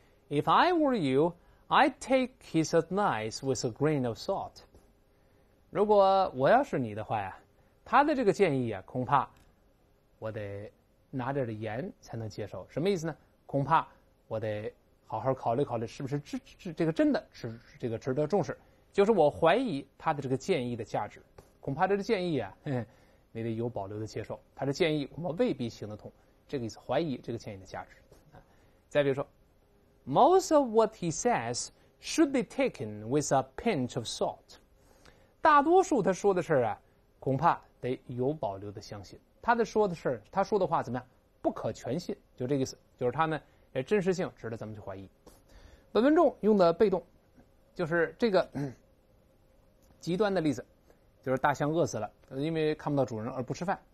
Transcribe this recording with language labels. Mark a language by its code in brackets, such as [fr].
[en] If I were you, I'd take his advice with a grain of salt. [zh] 如果我要是你的话呀，他的这个建议啊，恐怕我得拿着盐才能接受。什么意思呢？恐怕我得好好考虑考虑，是不是这个真的是这个值得重视？就是我怀疑他的这个建议的价值，恐怕这个建议啊，你得有保留的接受。他的建议恐怕未必行得通，这个意思，怀疑这个建议的价值。再比如说 [en] ，Most of what he says should be taken with a pinch of salt。 [zh] 大多数他说的事啊，恐怕得有保留的相信。他的说的事，他说的话怎么样？不可全信，就这个意思，就是他呢。真实性值得咱们去怀疑。本文中用的被动就是这个极端的例子，就是大象饿死了，因为看不到主人而不吃饭。